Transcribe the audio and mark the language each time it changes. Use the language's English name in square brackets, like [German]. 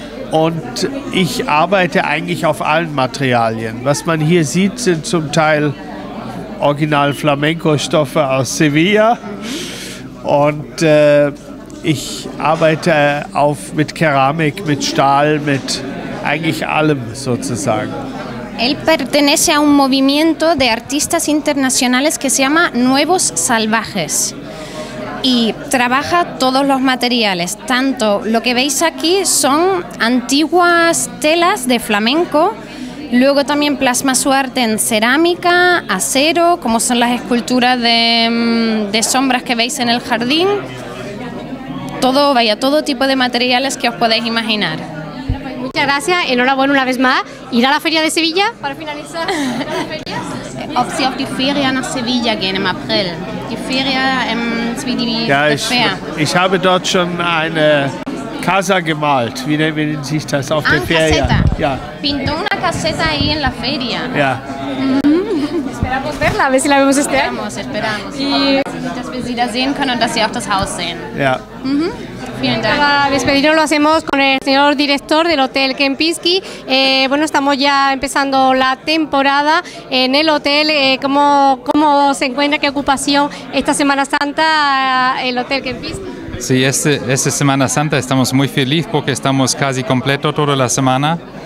[German] Und ich arbeite eigentlich auf allen Materialien. Was man hier sieht, sind zum Teil original Flamenco-Stoffe aus Sevilla. Und ich arbeite auf mit Keramik, mit Stahl, mit eigentlich allem sozusagen. [Spanish] Él pertenece a un movimiento de artistas internacionales que se llama Nuevos Salvajes y trabaja todos los materiales. Tanto lo que veis aquí son antiguas telas de flamenco. Luego también plasma su arte en cerámica, acero, como son las esculturas de sombras que veis en el jardín. Todo, vaya, todo tipo de materiales que os podéis imaginar. Pues muchas gracias, enhorabuena una vez más. Ir a la Feria de Sevilla para finalizar. [German] Ob Sie auf die Feria nach Sevilla gehen im April. Die Feria, ich habe dort schon eine casa gemalt. Wie nennt sich das auf der Feria? Ja. [Spanish] Pintó una caseta ahí en la feria. [German] Ja. [Spanish] Esperamos verla, a ver si la vemos este año. Esperamos. [German] Y dass wir sie da sehen können und dass sie auch das Haus sehen. Ja. [Spanish] Para despedirnos lo hacemos con el señor director del Hotel Kempinski. Bueno, estamos ya empezando la temporada en el hotel. ¿Cómo se encuentra, qué ocupación esta Semana Santa el Hotel Kempinski? Sí, esta Semana Santa estamos muy felices porque estamos casi completo toda la semana.